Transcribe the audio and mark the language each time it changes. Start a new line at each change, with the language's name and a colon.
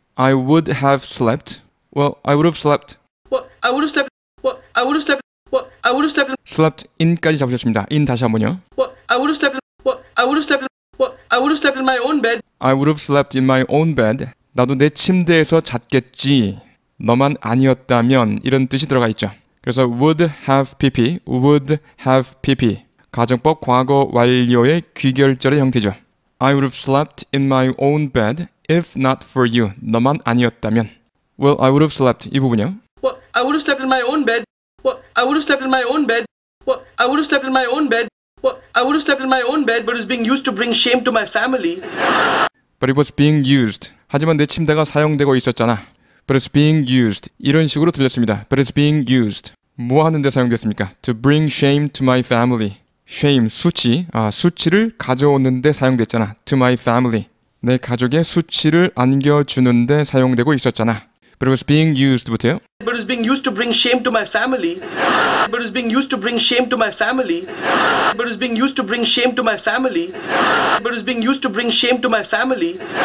English: I would have slept. Well, I would have slept. Well, I would have slept. Well, I would have slept. Well, I would have slept.
Korean: Slept in까지 잡으셨습니다. In 다시 한 번요.
English: Well, I would have slept. I would have slept. Well, I would have slept in my own bed. I would have slept in my own bed.
Korean: 나도 내 침대에서 잤겠지. 너만 아니었다면 이런 뜻이 들어가 있죠. 그래서 would have PP, would have PP. 가정법 과거 완료의 귀결절의 형태죠.
English: I would have slept in my own bed if not for you.
Korean: 너만 아니었다면.
English: Well, I would have slept.
Korean: 이 부분이요.
English: I would have slept in my own bed. What? I would have slept in my own bed. What? I would have slept in my own bed. What? I would have slept in my own bed, but it's being used to bring shame to my family. But it was being used.
Korean: 하지만 내 침대가 사용되고 있었잖아.
English: But it's being used.
Korean: 이런 식으로 들렸습니다.
English: But it's being used.
Korean: 뭐 하는데 사용됐습니까?
English: To bring shame to my family. Shame, 수치.
Korean: 아, 수치를 가져오는데 사용됐잖아.
English: To my family.
Korean: 내 가족의 수치를 안겨주는데 사용되고 있었잖아.
English: But it was being used, 부터요. But it's being used to bring shame to my family. But it's being used to bring shame to my family. But it's being used to bring shame to my family. But it's being used to bring shame to my family.